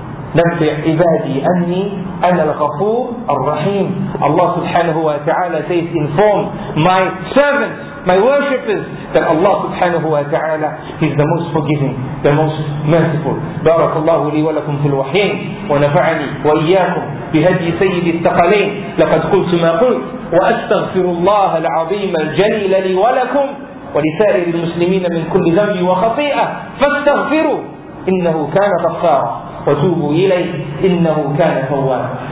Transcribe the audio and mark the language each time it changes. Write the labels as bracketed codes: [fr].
[ar] نبي عبادي أني أنا الغفور الرحيم. [en] Allah subhanahu wa ta'ala says, inform my servants, my worshippers, that Allah subhanahu wa ta'ala is the most forgiving, the most merciful. [ar] بارك الله لي ولكم في الوحيين ونفعني وإياكم بهدي سيد الثقلين. لقد قلت ما قلت وأستغفر الله العظيم الجليل لي ولكم ولسائر المسلمين من كل ذنب وخطيئة فاستغفروا إنه كان غفارا وتوبوا إليه إنه كان توابا.